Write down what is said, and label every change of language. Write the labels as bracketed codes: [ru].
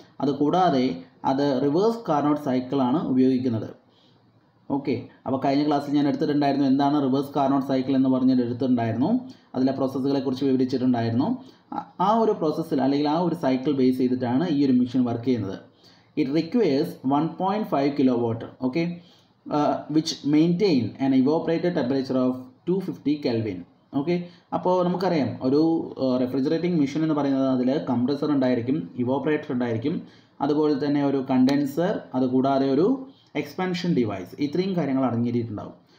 [ml] അത് കൂടാതെ അത് റിവേഴ്സ് കാർനോട്ട് സൈക്കിളാണ് ഉപയോഗിക്കുന്നത് ഓക്കെ അപ്പോൾ കഴിഞ്ഞ ക്ലാസ്സിൽ ഞാൻ എടുത്തിട്ടുണ്ടായിരുന്നു എന്താണ് റിവേഴ്സ് കാർനോട്ട് സൈക്കിൾ എന്ന് പറഞ്ഞ് എടുത്തിട്ടുണ്ടായിരുന്നു, അതിലെ പ്രോസസ്സുകളെ കുറിച്ച് വിവരിച്ചിട്ടുണ്ടായിരുന്നു. ആ ഒരു പ്രോസസ്സിൽ അല്ലെങ്കിൽ ആ ഒരു സൈക്കിൾ ബേസ് ചെയ്തിട്ടാണ് ഈ ഒരു മെഷീൻ വർക്ക് ചെയ്യുന്നത്. [en] It requires 1.5 kilowatt, okay, which maintain an evaporated temperature of 250 Kelvin, okay. [ml] അപ്പോൾ നമുക്കറിയാം ഒരു റെഫ്രിജറേറ്റിംഗ് മെഷീൻ എന്ന് പറയുന്നത് അതിൽ കംപ്രസർ ഉണ്ടായിരിക്കും, ഇവോപ്പറേറ്റർ ഉണ്ടായിരിക്കും, അതുപോലെ തന്നെ ഒരു കണ്ടൻസർ, അതുകൂടാതെ ഒരു എക്സ്പെൻഷൻ ഡിവൈസ്, ഇത്രയും കാര്യങ്ങൾ അടങ്ങിയിട്ടുണ്ടാവും.